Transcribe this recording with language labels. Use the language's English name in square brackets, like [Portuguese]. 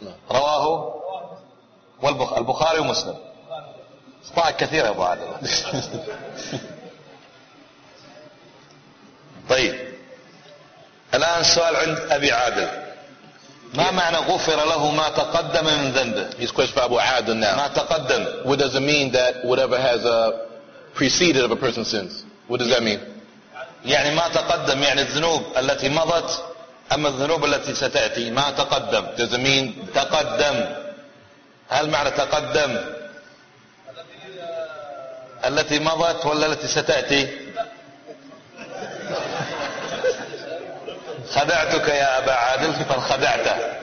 [Arabic] رواه البخاري ومسلم. أخطاء كثيرة يا أبو عادل. طيب الآن سؤال عند أبي عادل. ما معنى غفر له ما تقدم من ذنبه؟ [English] His question for Abu Adil now. [Arabic] ما تقدم. [English] What does it mean that whatever has preceded of a person's sins? What does that mean? [Arabic] يعني ما تقدم يعني الذنوب التي مضت أما الذنوب التي ستأتي. ما تقدم. [English] Does it mean [Arabic] تقدم؟ هل معنى تقدم التي مضت ولا التي ستأتي؟ خدعتك يا أبا عادل فخدعته.